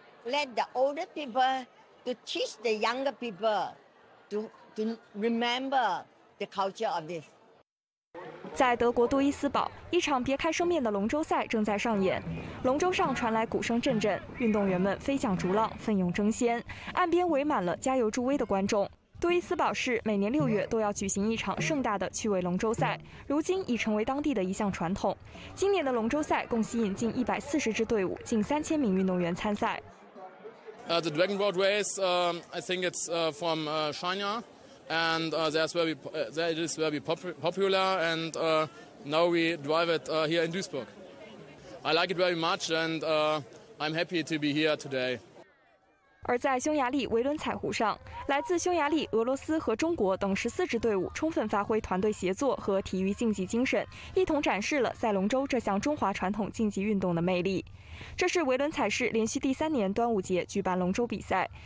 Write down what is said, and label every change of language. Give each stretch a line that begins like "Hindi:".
English: Let the older people to teach the younger people to remember the culture of this.
Chinese: 在德国杜伊斯堡，一场别开生面的龙舟赛正在上演。龙舟上传来鼓声阵阵，运动员们飞向逐浪，奋勇争先，岸边围满了加油助威的观众。杜伊斯堡市每年6月都要举行一场盛大的趣味龙舟赛，如今已成为当地的一项传统。今年的龙舟赛共吸引近140支队伍，近3000名运动员参赛。
English: The Dragon Boat Race, I think it's from China, and that's where we that is where we popular, and now we drive it here in Duisburg. I like it very much, and I'm happy to be here today.
Chinese: 而在匈牙利维伦彩湖上，来自匈牙利、俄罗斯和中国等14支队伍充分发挥团队协作和体育竞技精神，一同展示了赛龙舟这项中华传统竞技运动的魅力。这是维伦彩市连续第3年端午节举办龙舟比赛。